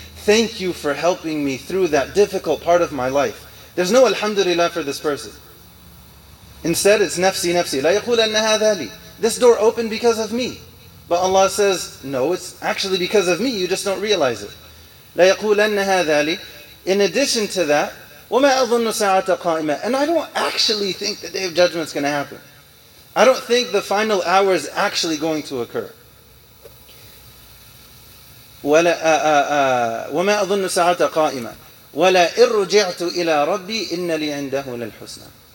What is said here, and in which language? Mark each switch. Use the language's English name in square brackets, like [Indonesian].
[English] Thank you for helping me through that difficult part of my life. There's no Alhamdulillah for this person. Instead, it's nafsi nafsi. [Arabic] لا يقول أن هذا لي. [English] This door opened because of me. But Allah says, no, it's actually because of me. You just don't realize it. [Arabic] لا يقول أن هذا لي. [English] In addition to that, [Arabic] وما أظن ساعة قائمة. [English] And I don't actually think the Day of Judgment is going to happen. I don't think the final hour is actually going to occur. [Arabic] وَمَا أَظُنُّ سَعَةَ قَائِمًا وَلَئِنْ رُجِعْتُ إِلَىٰ رَبِّي إِنَّ لِي عِنْدَهُ لَلْحُسْنَى.